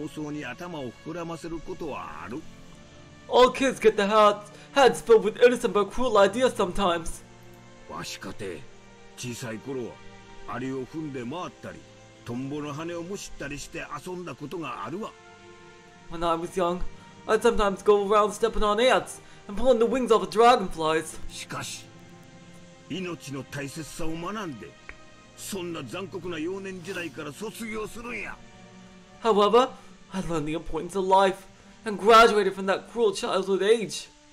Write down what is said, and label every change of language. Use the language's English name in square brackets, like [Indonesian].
[Japanese] 誰だって子供の頃には無邪気だけれど残酷な妄想に頭を膨らませることはある。 [English] All kids get their heads filled with innocent but cruel ideas sometimes. [Japanese] わしかて小さい頃は蟻を踏んで回ったりトンボの羽をむしったりして遊んだことがあるわ。 [English] When I was young, I'd sometimes go around stepping on ants and pulling the wings off of dragonflies. [Japanese] しかし、命の大切さを学んで [English] However, I learned the importance of life and graduated from that cruel childhood age.